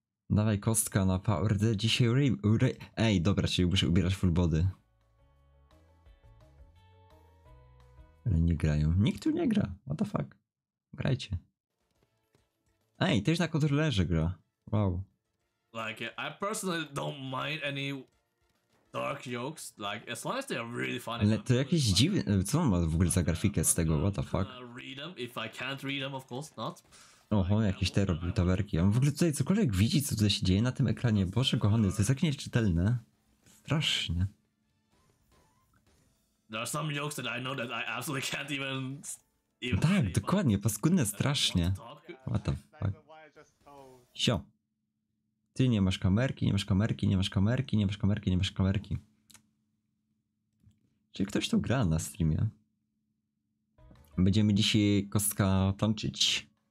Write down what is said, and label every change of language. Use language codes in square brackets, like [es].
[pl] Dawaj kostka na power. Dzisiaj ej, dobra, czyli muszę ubierać full body. Ale nie grają. Nikt tu nie gra. [en] What the fuck? [pl] Grajcie. Ej, też na kontrolerze gra. Wow. [en] Like, I personally don't mind any dark jokes, like, as long as they are really funny. [pl] Ale to jakieś dziwne, co on ma w ogóle za grafikę z tego, [en] what the fuck? Read them, if I can't read them, of course not. [pl] Oho, jakieś te robił tawerki. On w ogóle tutaj cokolwiek widzi, co tutaj się dzieje na tym ekranie. Boże kochany, to jest takie nieczytelne. Strasznie. [en] There are some jokes that I know that I absolutely can't even... [pl] No tak, dokładnie, paskudne strasznie. [en] What the fuck? [pl] Sio. Ty nie masz kamerki, nie masz kamerki, nie masz kamerki, nie masz kamerki, nie masz kamerki. Czy ktoś tu gra na streamie? Będziemy dzisiaj kostka tańczyć.